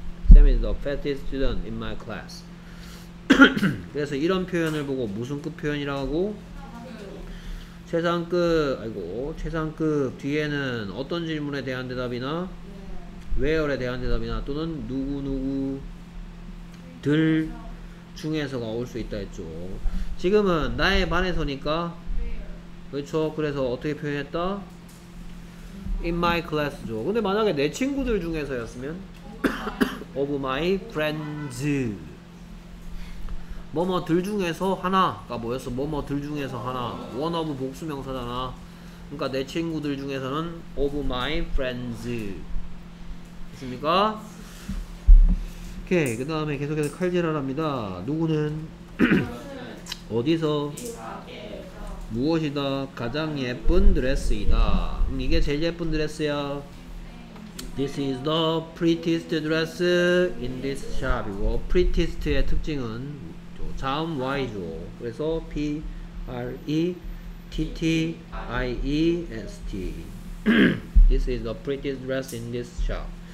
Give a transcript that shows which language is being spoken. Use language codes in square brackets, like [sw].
[en] Sam is the fattest student in my class. [ko] 그래서 이런 표현을 보고 무슨 급 표현이라고? 최상급. 아이고, 최상급 뒤에는 어떤 질문에 대한 대답이나 where에 대한 대답이나 또는 누구누구들 중에서가 올 수 있다 했죠. 지금은 나의 반에서니까 그렇죠. 그래서 어떻게 표현했다? [en] In my class [ko] 죠. 근데 만약에 내 친구들 중에서였으면 [en] of my friends. [ko] 뭐뭐들 중에서 하나가 뭐였어? 뭐뭐들 중에서 하나. one of 복수명사잖아. 그러니까 내 친구들 중에서는 [en] of my friends. [ko] 습니까? 오케이. 그 다음에 계속해서 칼질하랍니다. 누구는? 어디서? 무엇이다? 가장 예쁜 드레스이다. 이게 제일 예쁜 드레스야. [en] This is the prettiest dress in this shop. [ko] 이거 prettiest의 특징은 자음 y죠. 그래서 p r e t t i e s t. [en] This is the prettiest dress in this shop.